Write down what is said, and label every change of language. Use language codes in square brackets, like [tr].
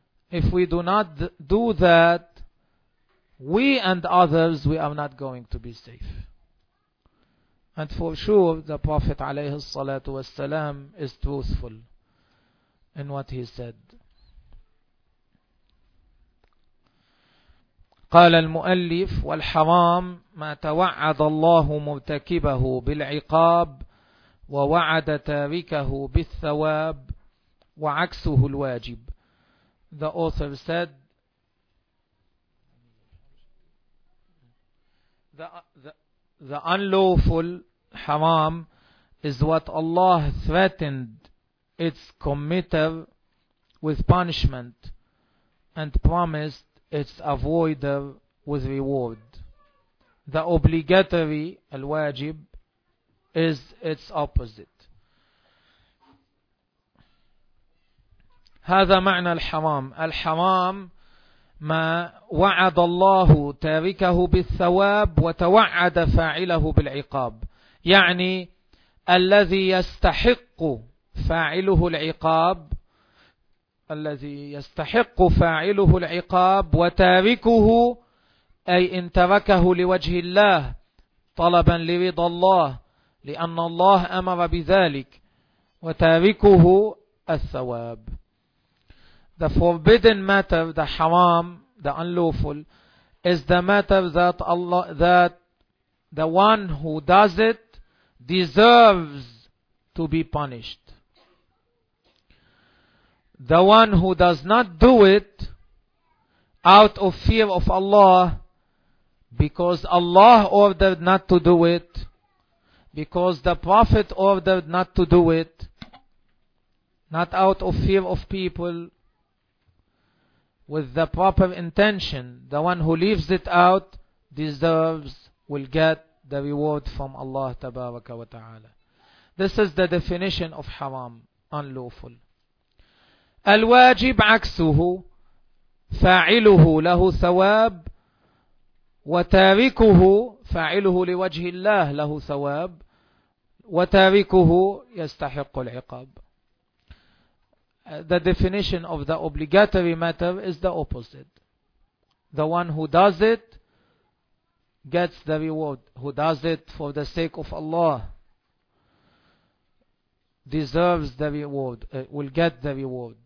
[en] If we do not do that, we and others, we are not going to be safe. And for sure, the Prophet [ar] عليه الصلاة والسلام [en] is truthful in what he said. [ar] قال المؤلف والحرام ما توعد الله مرتكبه بالعقاب ووعد تاركه بالثواب وعكسه الواجب. [en] The author said the, the unlawful haram is what Allah threatened its committer with punishment and promised its avoider with reward. The obligatory, al-wajib, is its opposite. [ar] هذا معنى الحرام. الحرام ما وعد الله تاركه بالثواب وتوعد فاعله بالعقاب، يعني الذي يستحق فاعله العقاب، الذي يستحق فاعله العقاب وتاركه، أي إن تركه لوجه الله طلبا لرضا الله لأن الله أمر بذلك، وتاركه الثواب. [en] The forbidden matter, the haram, the unlawful, is the matter that Allah, that the one who does it deserves to be punished. The one who does not do it out of fear of Allah, because Allah ordered not to do it, because the Prophet ordered not to do it, not out of fear of people, with the proper intention, the one who leaves it out deserves, will get the reward from Allah tabaraka wa ta'ala. This is the definition of haram, unlawful. [ar] الواجب عكسه فاعله له ثواب وتاركه فاعله لوجه الله له ثواب وتاركه يستحق العقاب. [en] The definition of the obligatory matter is the opposite. The one who does it gets the reward. Who does it for the sake of Allah deserves the reward, will get the reward.